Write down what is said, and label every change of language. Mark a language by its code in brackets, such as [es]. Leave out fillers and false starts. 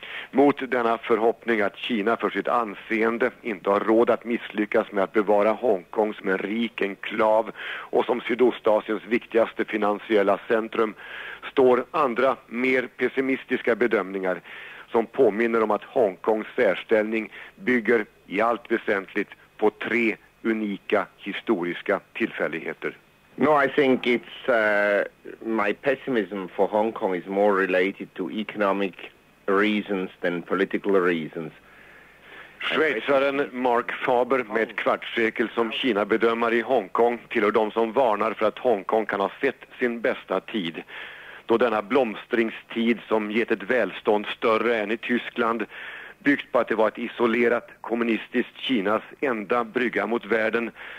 [sv] Mot denna förhoppning att Kina för sitt anseende inte har råd att misslyckas med att bevara Hongkong som en rik enklav och som Sydostasiens viktigaste finansiella centrum står andra, mer pessimistiska bedömningar som påminner om att Hongkongs särställning bygger i allt väsentligt på tre unika historiska tillfälligheter. [en] No, I think it's my pessimism for Hong Kong is more related to economic reasons than political reasons. [sv] Schweizaren Mark Faber med ett kvartssekel som Kina-bedömare i Hongkong tillhör de som varnar för att Hongkong kan ha sett sin bästa tid. Då denna blomstringstid som gett ett välstånd större än i Tyskland byggt på att det var ett isolerat kommunistiskt Kinas enda brygga mot världen.